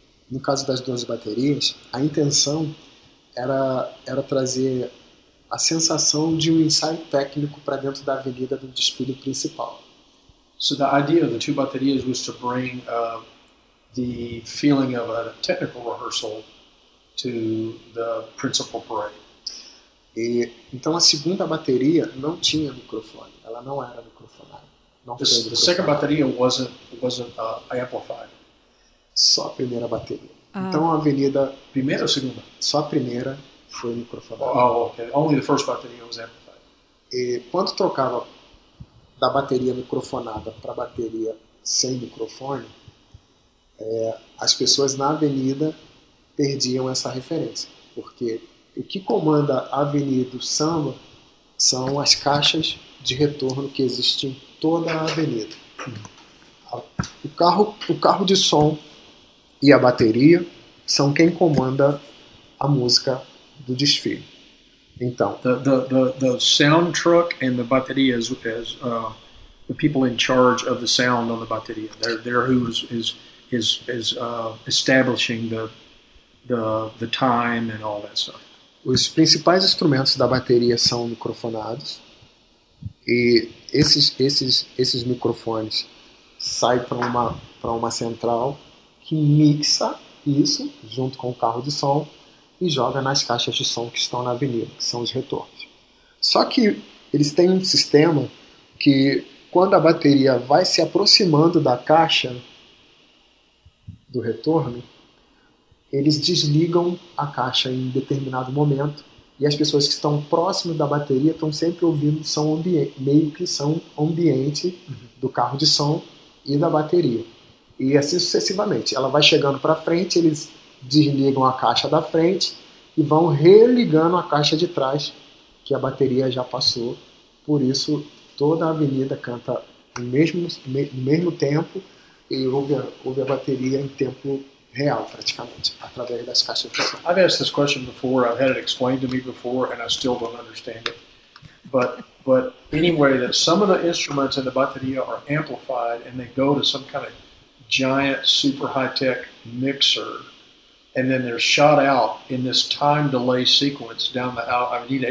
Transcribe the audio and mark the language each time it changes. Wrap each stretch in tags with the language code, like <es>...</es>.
<pt>No caso das duas baterias, a intenção era trazer a sensação de um ensaio técnico para dentro da avenida do desfile principal.</pt> <en>So the idea of the two baterias was to bring the feeling of a technical rehearsal to the principal parade.</en> <pt>E então a segunda bateria não tinha microfone, ela não era microfonada.</pt> <en>The second bateria wasn't amplified.</en> <pt>Só a primeira bateria. Então a avenida... Primeira ou segunda? Só a primeira foi microfonada.</pt> <en>Oh, ok. Only the first bateria was amplified.</en> <pt>E quando trocava da bateria microfonada para a bateria sem microfone, as pessoas na avenida perdiam essa referência. Porque o que comanda a avenida do samba são as caixas de retorno que existem em toda a avenida. O carro de som... E a bateria são quem comanda a música do desfile. Então,</pt> <en>the sound truck and the bateria is the people in charge of the sound on the bateria. They're who is establishing the time and all that stuff.</en> <pt>Os principais instrumentos da bateria são microfonados e esses microfones saem para uma central que mixa isso junto com o carro de som e joga nas caixas de som que estão na avenida, que são os retornos. Só que eles têm um sistema que quando a bateria vai se aproximando da caixa do retorno, eles desligam a caixa em determinado momento e as pessoas que estão próximas da bateria estão sempre ouvindo som meio que som ambiente do carro de som e da bateria. E assim sucessivamente. Ela vai chegando para frente, eles desligam a caixa da frente e vão religando a caixa de trás, que a bateria já passou. Por isso, toda a avenida canta no mesmo tempo e ouve a bateria em tempo real, praticamente, através das caixas de som.</pt> <en>I've asked this question before, I've had it explained to me before, and I still don't understand it. But anyway, that some of the instruments in the bateria are amplified and they go to some kind of giant super high-tech mixer, and then they're shot out in this time delay sequence down the avenida.</en>